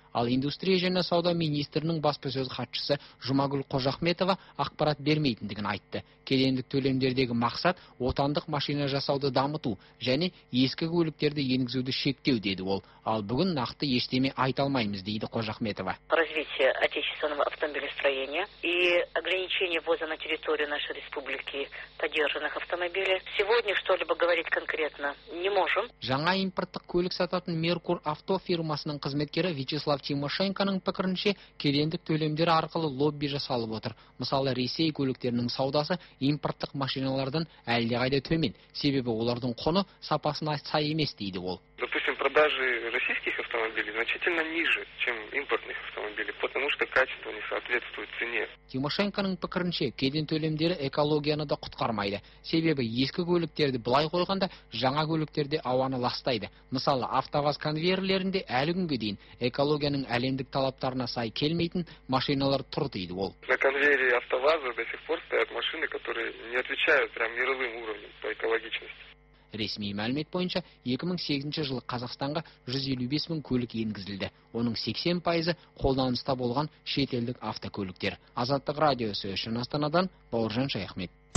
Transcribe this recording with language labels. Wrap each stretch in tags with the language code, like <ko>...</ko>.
<kk>Ал индустрия және сауда министрінің баспасөз хатшысы Жұмагүл Қожахметова ақпарат бермейтіндігін айтты. Кедендік төлемдердегі мақсат отандық машина жасауды дамыту және ескі көліктерді енгізуді шектеу деді ол. Ал бүгін нақты ештеме айта алмаймыз дейді Қожахметова.</kk> <ru>Развитие отечественного автомобилестроения и ограничение ввоза на территорию нашей республики подержанных автомобилей сегодня что-либо говорить конкретно не можем.</ru> <kk>Жаңа импорттық көлік сататын Меркур авто фирмасының қызметкері Вячеслав Тимошенконың пікірінше, кедендік төлемдер арқылы лобби жасалып отыр. Мысалы, Ресей көліктерінің саудасы импорттық машиналардан әлдеқайда төмен, себебі олардың құны сапасына сай емес дейді ол.</kk> <ru>Допустим, продажи российских автомобилей значительно ниже, чем импортных автомобилей, потому что качество не соответствует цене.</ru> <kk>Тимошенконың пікірінше, кеден төлемдері экологияны да құтқармайды. Себебі ескі көліктерді былай қойғанда, жаңа көліктерде ауаны ластайды. Мысалы, автоваз конвейерлерінде әлі күнге дейін экологияның әлемдік талаптарына сай келмейтін машиналар тұр дейді ол.</kk> <ru>На конвейере автоваза до сих пор стоят машины, которые не отвечают прямо мировым уровнем по экологичности.</ru> <kk>Ресми мәлімет бойынша 2008 жылы Қазақстанға 155 мың көлік енгізілді. Оның 80% қолданыста болған шетелдік автокөліктер. Азаттық радиосы үшін Астанадан Бауыржан Шайхмет.</kk>